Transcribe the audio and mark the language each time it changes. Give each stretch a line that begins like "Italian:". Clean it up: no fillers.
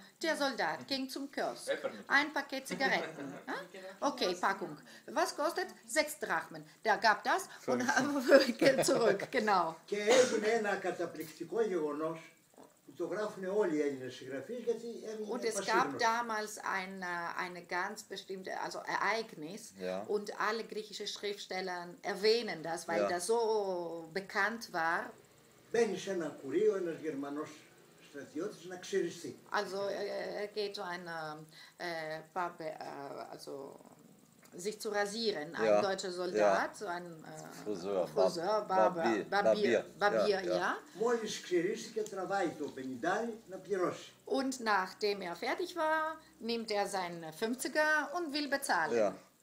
German: der Soldat ging zum Kiosk. Ein Paket Zigaretten. Okay, Packung. Was kostet? 6 Drachmen. Der gab das und geht zurück. Genau.
Greek: Και έγινε ένα καταπληκτικό γεγονός που το γράφουν όλοι οι Έλληνες συγγραφείς γιατί έγινε πασίγνωση.
German: Und es gab damals eine ganz bestimmte, also Ereignis, und alle griechischen Schriftsteller erwähnen das, weil das so bekannt war.
Greek: Μπαίνει σε ένα κουρίο ένας Γερμανός στρατιώτης να ξυριστεί.
German: Also geht so ein Pape, also sich zu rasieren, ein deutscher Soldat, so ein Friseur, Barbier,
Greek: Μόλις ξυρίσει και τραβάει το πενιντάρι να πληρώσει.
German: Und nachdem fertig war, nimmt sein 50er und will bezahlen.